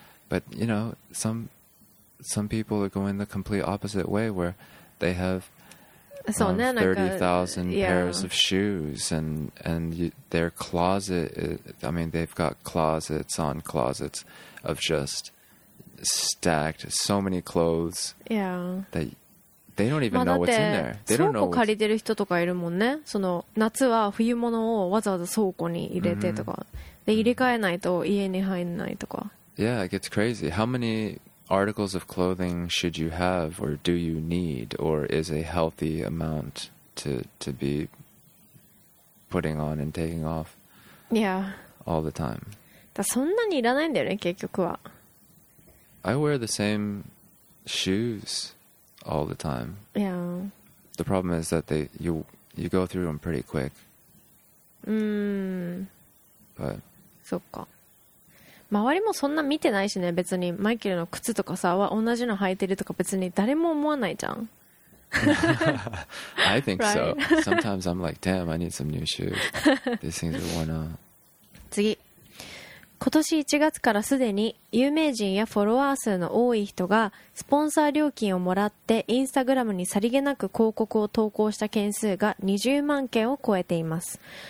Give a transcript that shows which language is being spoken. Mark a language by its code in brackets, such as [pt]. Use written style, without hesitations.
[en] but you know, some people are going the complete opposite way where they have 30,000 pairs of shoes and their closet is, I mean, they've got closets on closets of just stacked so many clothes, yeah, that they don't even know what's in there. They don't know what's... [ja] 倉庫借りてる人とかいるもんね。その夏は冬物をわざわざ倉庫に入れてとか、mm-hmm. で入れ替えないと家に入んないとか。 [en] Yeah, it gets crazy. How many articles of clothing should you have or do you need or is a healthy amount to be putting on and taking off? Yeah. All the time. [ja] だそんなにいらないんだよね、結局は。 [en] I wear the same shoes. All the time. Yeah. The problem is that you go through them pretty quick. But [ja] そっか。周りもそんな見てないしね、別にマイケルの靴とかさは同じの履いてるとか別に誰も思わないじゃん。 [en] I think so. Sometimes I'm like, damn, I need some new shoes. These things are worn out. [ja] 次。今年1月からすでに有名人やフォロワー数の多い人がスポンサー料金をもらってインスタグラムにさりげなく広告を投稿した件数が20万件を超えています。